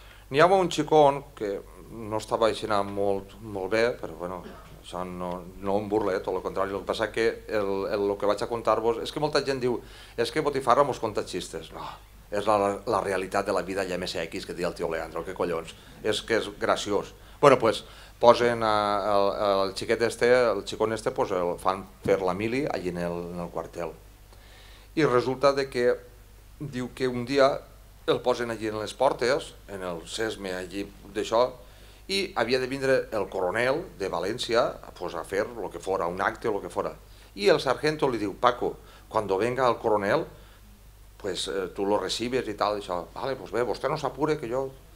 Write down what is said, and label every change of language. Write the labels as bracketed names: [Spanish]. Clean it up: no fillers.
[Catalan] N'hi havia un xicón que no estava aixinant molt, molt bé, però bueno, això no, no em burla, tot el contrari, el que passa que el que vaig a contar-vos és que molta gent diu, és que Botifarra mos conta xistes. No, és la realitat de la vida allà MSX que diu el tio Leandro, que collons, és que és graciós. Bueno, pues, posen el xiquet este, el xicón este, pues el fan fer la mili allí en el quartel. I resulta de que diu que un dia el posen allí en les portes, en el sesme allí d'això, i havia de vindre el coronel de València pues, a fer lo que fora, un acte o lo que fora. I el sargento li diu, Paco, [Spanish] cuando venga el coronel, pues tu lo recibes [Catalan] i tal, i això, vale, pues bé, vostè no s'apure que jo...